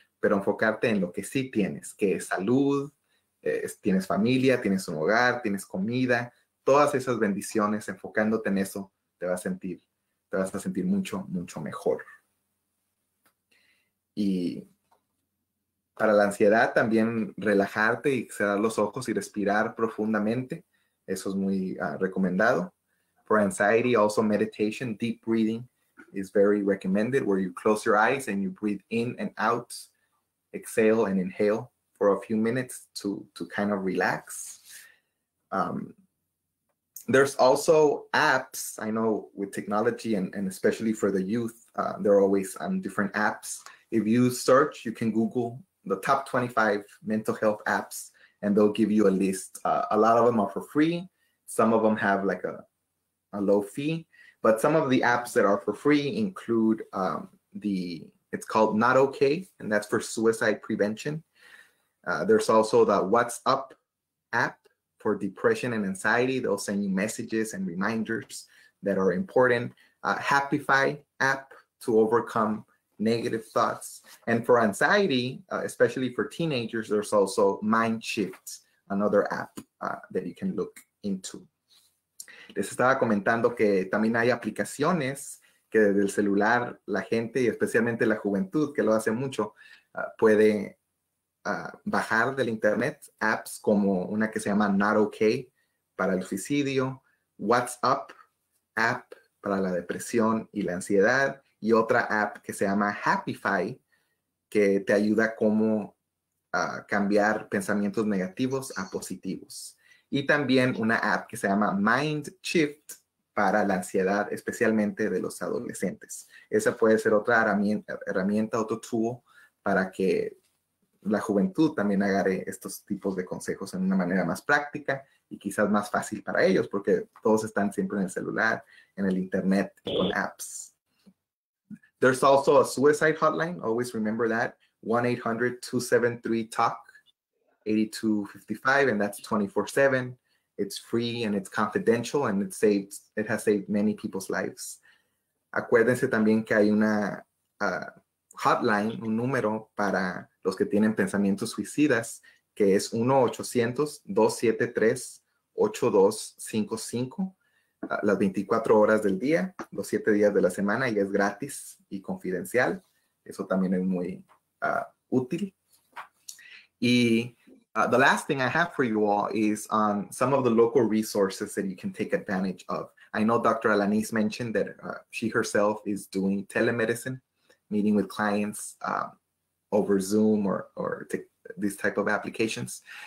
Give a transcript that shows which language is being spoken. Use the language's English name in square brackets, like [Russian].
[Spanish] Pero enfocarte en lo que sí tienes, que es salud, tienes familia, tienes un hogar, tienes comida, todas esas bendiciones, enfocándote en eso, te vas a sentir mucho, mucho mejor. Y para la ansiedad también relajarte y cerrar los ojos y respirar profundamente, eso es muy recomendado. [English] For anxiety, also meditation, deep breathing is very recommended, where you close your eyes and you breathe in and out, exhale and inhale for a few minutes to kind of relax. There's also apps. I know with technology and especially for the youth, they're always on different apps. If you search, you can Google the top 25 mental health apps and they'll give you a list. A lot of them are for free. Some of them have like a low fee, but some of the apps that are for free include it's called Not Okay, and that's for suicide prevention. There's also the What's Up app for depression and anxiety. They'll send you messages and reminders that are important, Happify app to overcome negative thoughts. And for anxiety, especially for teenagers, there's also Mind Shift, another app that you can look into. [Spanish] Les estaba comentando que también hay aplicaciones que desde el celular la gente, y especialmente la juventud, que lo hace mucho, puede bajar del internet apps como una que se llama Not Okay para el suicidio, WhatsApp app para la depresión y la ansiedad, y otra app que se llama Happify, que te ayuda como a cambiar pensamientos negativos a positivos. Y también una app que se llama Mind Shift para la ansiedad, especialmente de los adolescentes. Esa puede ser otra herramienta, otro tool para que la juventud también agarre estos tipos de consejos en una manera más práctica y quizás más fácil para ellos, porque todos están siempre en el celular, en el internet, con apps. There's also a suicide hotline, always remember that, 1-800-273-TALK-8255, and that's 24/7. It's free and it's confidential, and it has saved many people's lives. Acuérdense también que hay una hotline, un número para los que tienen pensamientos suicidas, que es 1-800-273-8255, las 24 horas del día, los 7 días de la semana, y es gratis y confidencial. Eso también es muy útil. [English] Y the last thing I have for you all is on some of the local resources that you can take advantage of. I know Dr. Alanis mentioned that she herself is doing telemedicine, meeting with clients over Zoom or these type of applications.